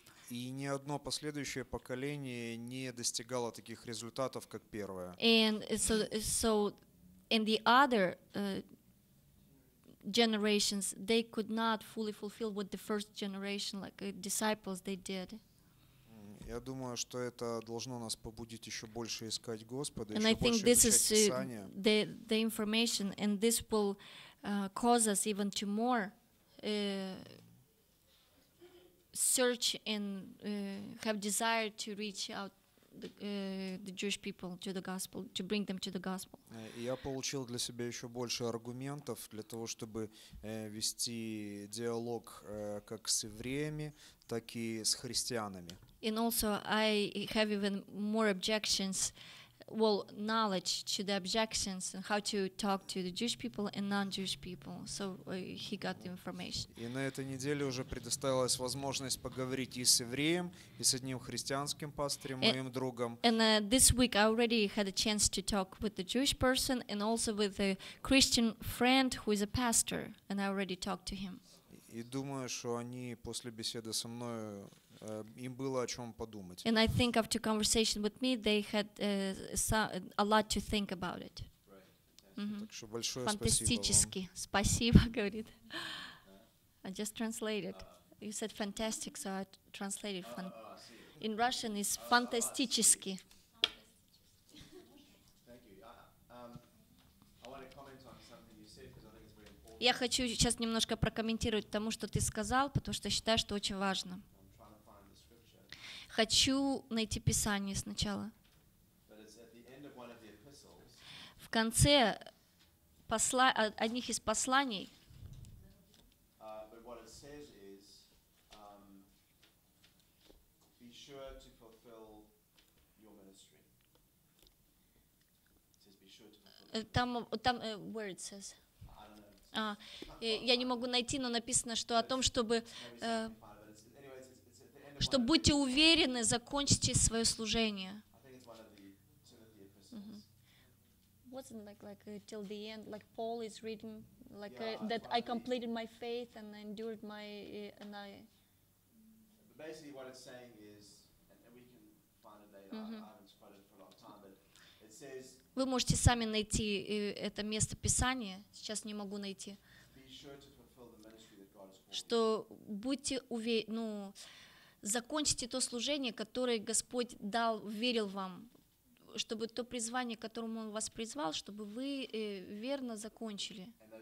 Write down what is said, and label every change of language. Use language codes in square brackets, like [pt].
[ru] И ни одно последующее поколение не достигало таких результатов, как первое. [en] And so in the other generations, they could not fully fulfill what the first generation, like disciples, they did. [ru] Я думаю, что это должно нас побудить еще больше искать Господа, [en] and And I think this is the information, and this will cause us even to more search and have desire to reach out the Jewish people to the gospel, to bring them to the gospel. [ru] Я получил для себя еще больше аргументов для того, чтобы вести диалог как с евреями, так и с христианами. [en] And also I have even more objections, well, knowledge to the objections and how to talk to the Jewish people and non-Jewish people. So he got the information. [ru] И на этой неделе уже предоставилась возможность поговорить и с евреем, и с одним христианским пастором, моим другом. [en] And this week I already had a chance to talk with the Jewish person and also with a Christian friend who is a pastor, and I already talked to him. [ru] И думаю, что они после беседы со мной... им было о чем подумать. [en] And I think after conversation with me, they had a lot to think about it. [ru] Так что большое спасибо. Фантастически. Спасибо, говорит. [en] I just translated. You said fantastic, so I translated. In Russian, it's фантастически. Thank you. I want to comment on something you said, because I think it's very important. [ru] я хочу сейчас немножко прокомментировать тому, что ты сказал, потому что считаю, что очень важно. Хочу найти Писание сначала. В конце одних из посланий. [en] Там, where it says. [ru] Я не могу найти, но написано, что о том, чтобы будьте уверены, закончите свое служение. [en] Wasn't like till the end, like Paul is reading, like that I completed my faith and endured my and I. But basically, what it's saying is, and we can find it later. Mm-hmm. I haven't quoted it for a long time, but it says. [ru] Вы можете сами найти это место Писания, сейчас не могу найти. Что будьте уверены, закончите то служение, которое Господь дал, верил вам, чтобы то призвание, к которому Он вас призвал, чтобы вы верно закончили.